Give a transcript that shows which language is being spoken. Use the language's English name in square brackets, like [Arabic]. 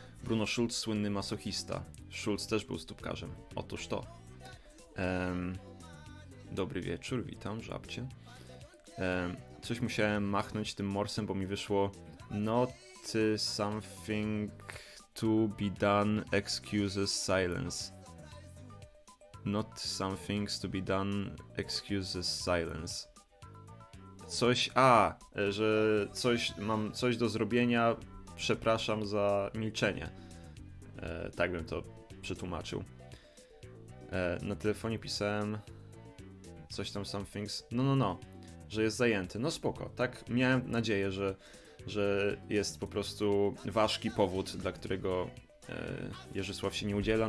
[Polish] Bruno Schulz, słynny masochista. Schulz też był stópkarzem. Otóż to. Dobry wieczór, witam, żabcie. Coś musiałem machnąć tym morsem, bo mi wyszło [English] not something to be done, excuses silence. Not something to be done, excuses silence. [Polish] Coś, że coś mam, coś do zrobienia, przepraszam za milczenie. Tak bym to przetłumaczył. Na telefonie pisałem coś tam, somethings. No, że jest zajęty. No spoko, tak miałem nadzieję, że jest po prostu ważki powód, dla którego Jerzysław się nie udziela.